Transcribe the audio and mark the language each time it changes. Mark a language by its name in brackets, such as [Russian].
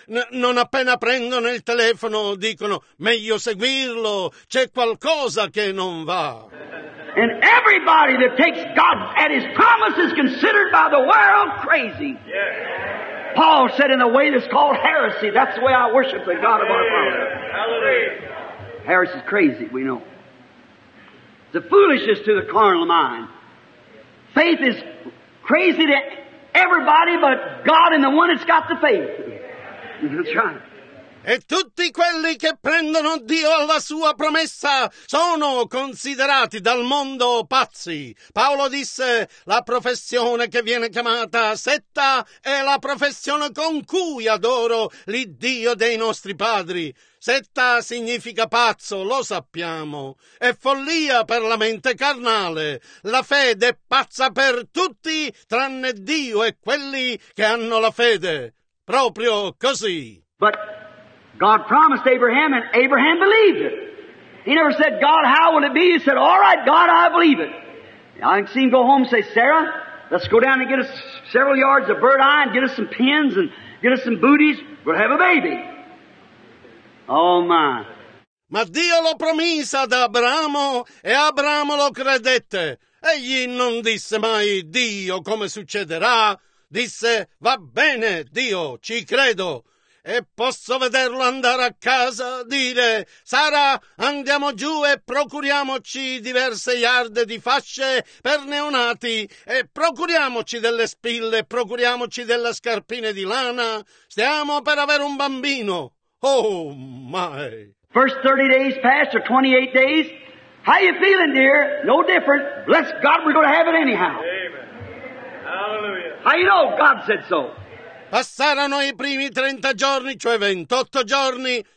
[Italian] Non appena prendono il telefono, dicono: "Meglio seguirlo, c'è qualcosa che non va." [English] And everybody that takes God at his promise is considered by the world crazy. Yeah. Paul said in a way that's called heresy, that's the way I worship the God of our Father. Hallelujah. Heresy is crazy, we know. The foolishness to the carnal mind. Faith is crazy to everybody but God and the one that's got the faith. That's right. [Italian] E tutti quelli che prendono Dio alla sua promessa sono considerati dal mondo pazzi. Paolo disse: la professione che viene chiamata setta è la professione con cui adoro l'Iddio dei nostri padri. Setta significa pazzo, lo sappiamo. È follia per la mente carnale. La fede è pazza per tutti tranne Dio e quelli che hanno la fede. Proprio così. [English] But God promised Abraham, and Abraham believed it. He never said, "God, how will it be?" He said, "All right, God, I believe it." I can see him go home and say, "Sarah, let's go down and get us several yards of bird eye and get us some pins and get us some booties. We'll have a baby." Oh, my. [Italian] Ma Dio lo promise ad Abramo, e Abramo lo credette. Egli non disse mai: "Dio, come succederà?" Disse: "Va bene, Dio, ci credo." E posso vederlo andare a casa, dire: "Sara, andiamo giù e procuriamoci diverse yard di fasce per neonati, e procuriamoci delle spille, procuriamoci delle scarpine di lana, stiamo per avere un bambino." [English] Oh, my! First 30 days passed, or 28 days. How you feeling, dear? No different. Bless God, we're going to have it anyhow. Amen. Hallelujah. How you know? God said so. [Italian] Passarono i primi 30 giorni, cioè 28 giorni.